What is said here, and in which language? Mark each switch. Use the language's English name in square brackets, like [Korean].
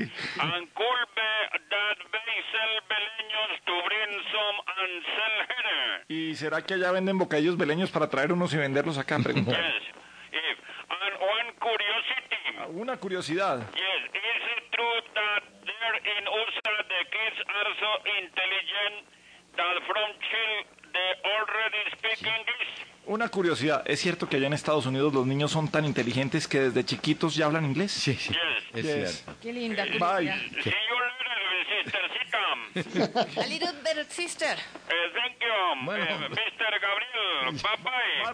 [English] And could be that they sell beleños to bring some and sell here. [Spanish] ¿Y será que allá venden bocadillos beleños para traer unos y venderlos acá? Pregunta. [English] Yes. If, and one curiosity. [Spanish] Una curiosidad. [English] Yes. Is it true that there in USA the kids are so intelligent that from Chile they already speak English? [Spanish] Una curiosidad, ¿es cierto que allá en Estados Unidos los niños son tan inteligentes que desde chiquitos ya hablan inglés? Sí, sí. [English] Yes. [Spanish] Es cierto. Qué linda curiosidad. [English] Bye. See you later, sister. Sit down. A little bit, sister. Thank you, Mr. Gabriel. Bye-bye.